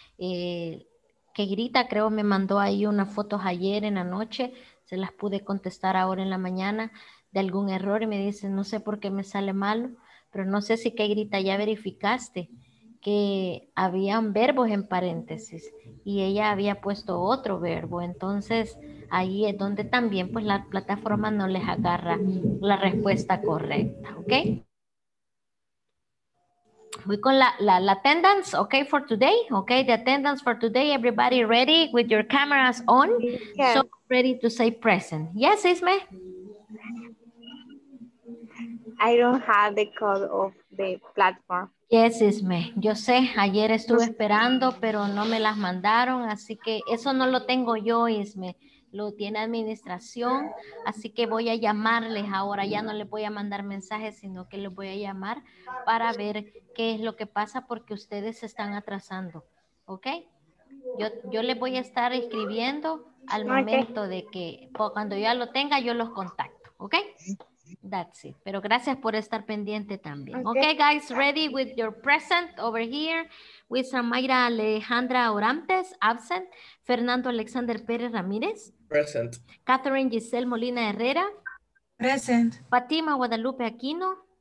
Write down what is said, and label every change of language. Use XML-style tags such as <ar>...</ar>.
<es>Que grita, creo, me mandó ahí unas fotos ayer en la noche, se las pude contestar ahora en la mañana de algún error y me dice, no sé por qué me sale malo, pero no sé si que grita, ya verificaste que habían verbos en paréntesis y ella había puesto otro verbo, entonces ahí es donde también pues la plataforma no les agarra la respuesta correcta, ¿ok? Voy con la attendance, ¿ok?</es> <en>For today,</en> <es>¿ok?</es> <en>The attendance for today, everybody ready with your cameras on, yes. So ready to say present. Yes, Isme. I don't have the code of the platform. Yes, Isme.</en> <es>Yo sé, ayer estuve esperando, pero no me las mandaron, así que eso no lo tengo yo, Isme. Lo tiene administración, así que voy a llamarles ahora, ya no les voy a mandar mensajes, sino que los voy a llamar para ver qué es lo que pasa, porque ustedes se están atrasando, ¿ok? Yo les voy a estar escribiendo al momento, okay, de que, pues, cuando ya lo tenga, yo los contacto, ¿ok?</es> <en>That's it,</en> <es>pero gracias por estar pendiente también.</es> <en>Okay, guys, ready with your present over here. With Samaira Alejandra Orantes, absent. Fernando Alexander Pérez Ramírez. Present. Catherine Giselle Molina Herrera. Present. Fatima Guadalupe Aquino.</en>